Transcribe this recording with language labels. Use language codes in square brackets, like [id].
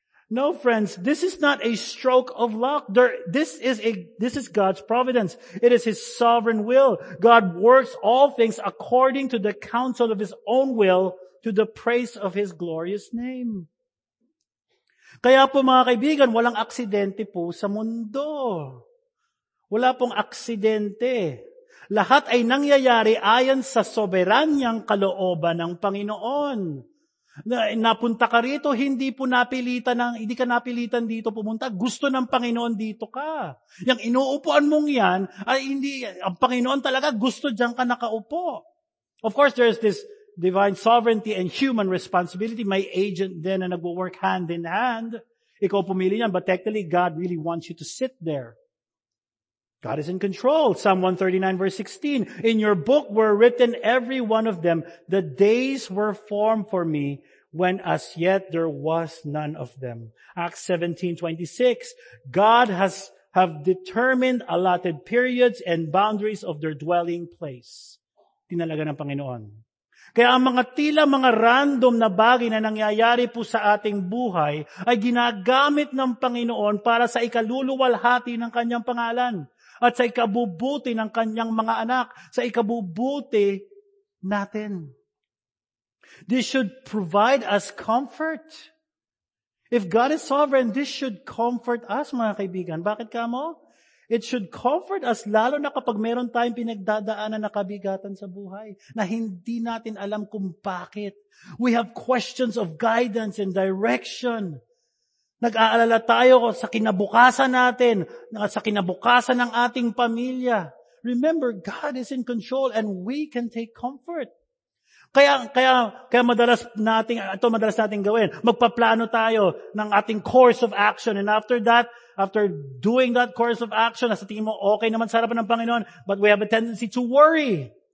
[en] No, friends, this is not a stroke of luck. This is God's providence. It is His sovereign will. God works all things according to the counsel of His own will to the praise of His glorious name. [tl] Kaya po mga kaibigan, walang aksidente po sa mundo. Wala pong aksidente. Lahat ay nangyayari ayon sa soberanyang kalooban ng Panginoon. Napunta ka rito, hindi ka napilitan dito pumunta. Gusto ng Panginoon dito ka. Yung inuupuan mong yan, ay hindi, ang Panginoon talaga gusto dyan ka nakaupo. [en] Of course, there's this divine sovereignty and human responsibility. [tl] May agent din na nagwo-work [en] hand in hand. [tl] Ikaw pumili niyan, [en] but technically, God really wants you to sit there. God is in control. Psalm 139 verse 16. In your book were written every one of them. The days were formed for me when as yet there was none of them. Acts 17:26. God have determined allotted periods and boundaries of their dwelling place. [tl] Tinalaga ng Panginoon. Kaya ang mga tila mga random na bagay na nangyayari po sa ating buhay ay ginagamit ng Panginoon para sa ikaluluwalhati ng kanyang pangalan at sa ikabubuti ng kanyang mga anak, sa ikabubuti natin. [en] This should provide us comfort. If God is sovereign, this should comfort us, [tl] mga kaibigan. Bakit ka mo? [en] It should comfort us, [tl] lalo na kapag meron tayong pinagdadaanan na kabigatan sa buhay na hindi natin alam kung bakit. [en] We have questions of guidance and direction. [tl] Nag-aalala tayo sa kinabukasan natin, sa kinabukasan ng ating pamilya. [en] Remember, God is in control and we can take comfort. [tl] Kaya madalas nating ito madalas nating gawin, magpaplano tayo ng ating course of action, [en] and after doing that course of action, [tl] nasa tingin mo okay naman sa harapan ng Panginoon, [en] but we have a tendency to worry.